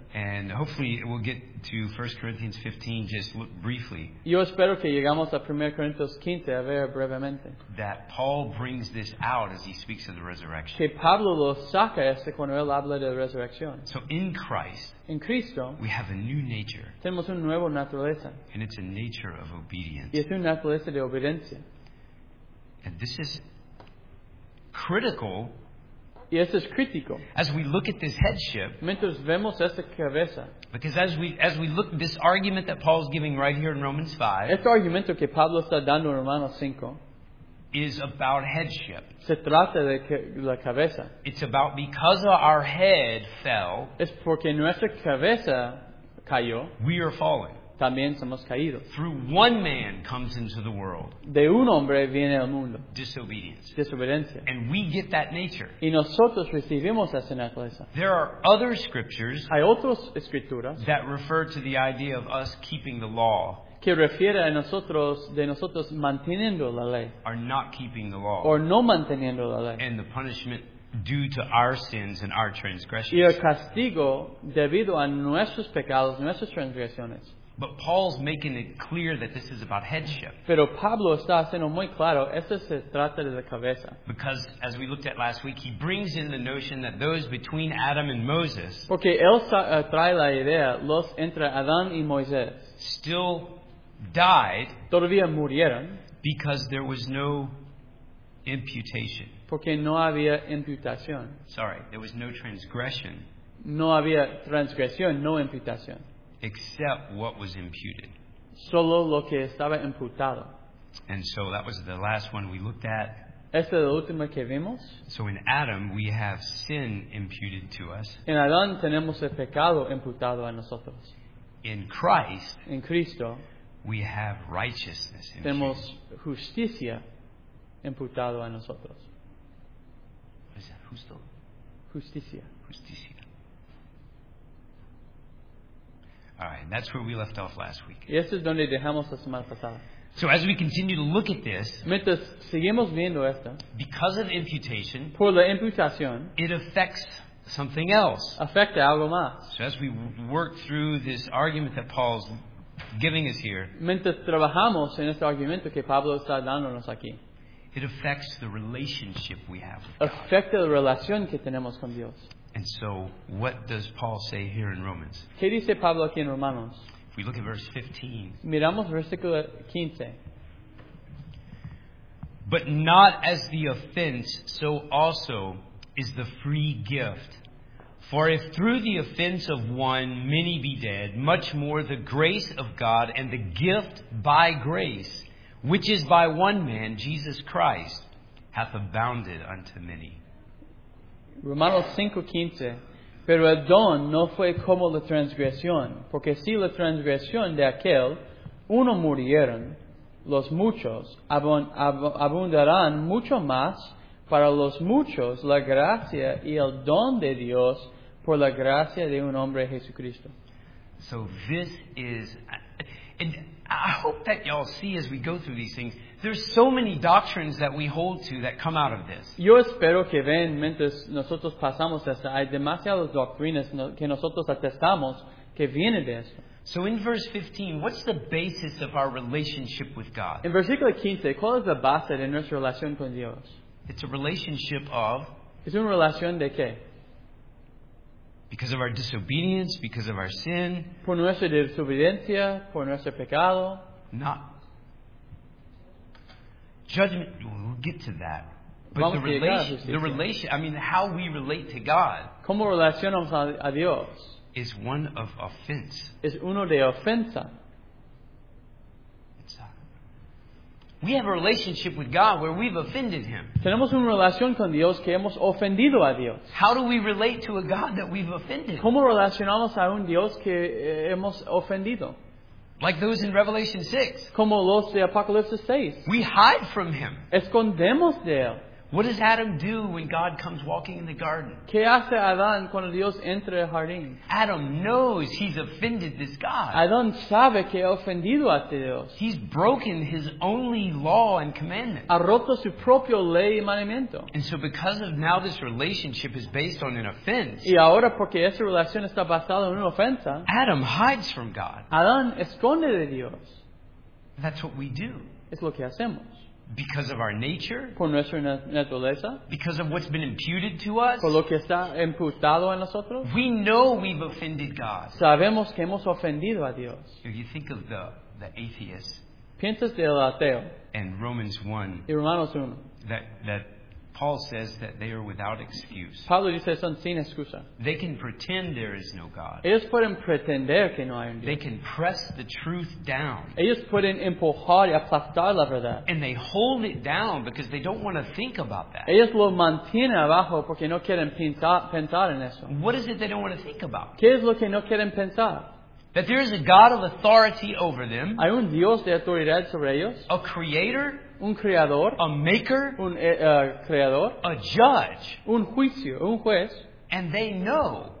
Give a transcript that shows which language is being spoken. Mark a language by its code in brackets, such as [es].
[en] And hopefully we'll get to 1 Corinthians 15 just briefly. [es] Yo espero que llegamos a 1 Corintios 15 a ver brevemente. [en] That Paul brings this out as he speaks of the resurrection. [es] Que Pablo lo saca este cuando él habla de la resurrección. [en] So in Christ, [es] en Cristo, [en] we have a new nature. [es] Tenemos una nueva naturaleza. [en] And it's a nature of obedience. [es] Y es una naturaleza de obediencia. [en] And this is critical. [es] Y esto es crítico. [en] As we look at this headship, [es] mientras vemos esta cabeza, [en] because as we look at this argument that Paul's giving right here in Romans 5, [es] este argumento que Pablo está dando en Romanos 5, [en] is about headship. [es] Se trata de la cabeza. [en] It's about because of our head fell. [es] Es porque nuestra cabeza cayó. [en] We are fallen. [es] También somos caídos. [en] Through one man comes into the world. [es] De un hombre viene al mundo. [en] Disobedience. [es] Desobediencia. [en] And we get that nature. [es] Y nosotros recibimos esa naturaleza. [en] There are other scriptures. [es] Hay otras escrituras. [en] That refer to the idea of us keeping the law. [es] Que refiere a nosotros, de nosotros manteniendo la ley. [en] Are not keeping the law. [es] O no manteniendo la ley. [en] And the punishment due to our sins and our transgressions. [es] Y el castigo debido a nuestros pecados, nuestras transgresiones. [en] But Paul's making it clear that this is about headship. [es] Pero Pablo está haciendo muy claro, esto se trata de la cabeza. [en] Because as we looked at last week, he brings in the notion that those between Adam and Moses. [es] Porque él trae la idea, los entre Adán y Moisés. [en] Still died. [es] Todavía murieron. [en] Because there was no imputation. [es] Porque no había imputación. [en] Sorry, there was no transgression. [es] No había transgresión, no imputación. [en] Except what was imputed. [es] Solo lo que estaba imputado. [en] And so that was the last one we looked at. [es] Esta es la última que vimos. [en] So in Adam we have sin imputed to us. [es] En Adán tenemos el pecado imputado a nosotros. [en] In Christ, [es] en Cristo, [en] we have righteousness imputed. [es] Tenemos justicia imputado a nosotros. [en] Is that justo? [es] Justicia. Justicia. [en] All right, that's where we left off last week. [es] Y esto es donde dejamos la semana pasada. [en] So as we continue to look at this, [es] mientras seguimos viendo esto, [en] because of imputation, [es] por la imputación, [en] it affects something else. [es] Afecta algo más. [en] So as we work through this argument that Paul's giving us here, [es] mientras trabajamos en este argumento que Pablo está dándonos aquí, [en] it affects the relationship we have with [es] afecta [en] God. [es] La relación que tenemos con Dios. [en] And so, what does Paul say here in Romans? [es] ¿Qué dice Pablo aquí en Romanos? [en] If we look at verse 15. [es] Miramos versículo 15. [en] But not as the offense, so also is the free gift. For if through the offense of one many be dead, much more the grace of God and the gift by grace, which is by one man, Jesus Christ, hath abounded unto many. [es] Romanos 5:15, pero el don no fue como la transgresión, porque si la transgresión de aquel uno murieron, los muchos abundarán mucho más para los muchos la gracia y el don de Dios por la gracia de un hombre Jesucristo. [en] So this is, and I hope that y'all see as we go through these things, there's so many doctrines that we hold to that come out of this. [es] Yo espero que ven mientras nosotros pasamos esto. Hay demasiadas doctrinas que nosotros atestamos que viene de esto. [en] So in verse 15, what's the basis of our relationship with God? [es] En versículo 15, ¿cuál es la base de nuestra relación con Dios? [en] It's a relationship of. [es] Es una relación de qué? [en] Because of our disobedience, because of our sin. [es] Por nuestra desobediencia, por nuestro pecado. [en] Not. Judgment, we'll get to that. But [es] vamos [en] the relation, I mean, how we relate to God. [es] ¿Cómo relacionamos a Dios? [en] Is one of offense. [es] Es uno de ofensa. [en] We have a relationship with God where we've offended Him. [es] Tenemos una relación con Dios que hemos ofendido a Dios. [en] How do we relate to a God that we've offended? [es] ¿Cómo relacionamos a un Dios que hemos ofendido? [en] Like those in Revelation 6. [es] Como los de Apocalipsis 6. [en] We hide from him. [es] Escondemos de él. [en] What does Adam do when God comes walking in the garden? [es] ¿Qué hace Adán cuando Dios entra al jardín? [en] Adam knows he's offended this God. [es] Adán sabe que ha ofendido a Dios. [en] He's broken his only law and commandment. [es] Ha roto su propio ley y mandamiento. [en] And so because of now this relationship is based on an offense. [es] Y ahora porque esa relación está basada en una ofensa. [en] Adam hides from God. [es] Adán esconde de Dios. [en] That's what we do. [es] Es lo que hacemos. [en] Because of our nature, [es] por nuestra naturaleza, [en] because of what's been imputed to us, [es] por lo que está imputado a nosotros, [en] we know we've offended God. [es] Sabemos que hemos ofendido a Dios. [en] If you think of the atheist, [es] piensas del ateo, [en] and Romans 1, [es] y Romanos 1, [en] that Paul says that they are without excuse. [es] Pablo dice son sin excusa. [en] They can pretend there is no God. [es] Ellos pueden pretender que no hay un Dios. [en] They can press the truth down. [es] Ellos pueden empujar y aplastar la verdad. [en] And they hold it down because they don't want to think about that. [es] Ellos lo mantienen abajo porque no quieren pensar en eso. [en] What is it they don't want to think about? [es] ¿Qué es lo que no quieren pensar? [en] That there is a God of authority over them. [es] Hay un Dios de autoridad sobre ellos. [en] A creator. [es] Un creador, [en] a maker, [es] un creador, [en] a judge, [es] un juicio, un juez, [en] and they know,